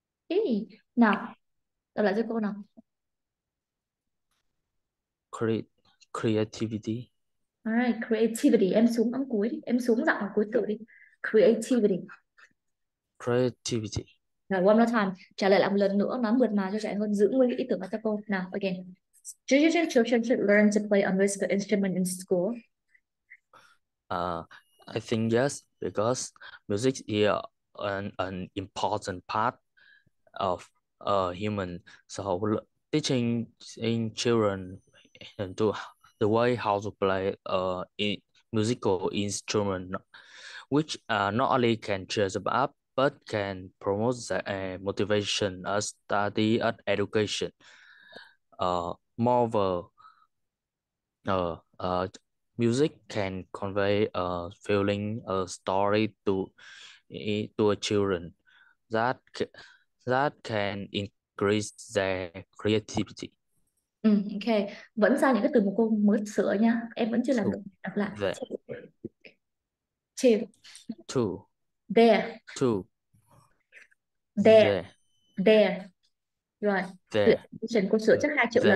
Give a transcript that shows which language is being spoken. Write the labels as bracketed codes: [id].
[vi] Hey, now, đọc lại cho cô nào. [en] Creativity. [vi] Alright, creativity. Em xuống âm cuối đi. Em xuống giọng ở cuối từ đi. [en] Creativity. Creativity. Now, one more time. [vi] Trả lời lại một lần nữa, nói mượt mà cho trẻ hơn, giữ nguyên ý tưởng cho cô. [en] Now, again. Do you think children should learn to play a musical instrument in school? I think yes, because music is an important part of a human. So teaching in children to the way how to play a musical instrument, which not only can cheer them up but can promote the motivation of study and education. Moreover, music can convey a feeling, a story to a children that can increase their creativity. [vi] Ok, vẫn sao những cái từ mà cô mới sửa nha, em vẫn chưa làm được, đọc lại. [en] There. [vi] Chịu. [en] Two. There. Two. There. There. There. Rồi, There. [vi] chuyện cô sửa chắc 2 triệu lần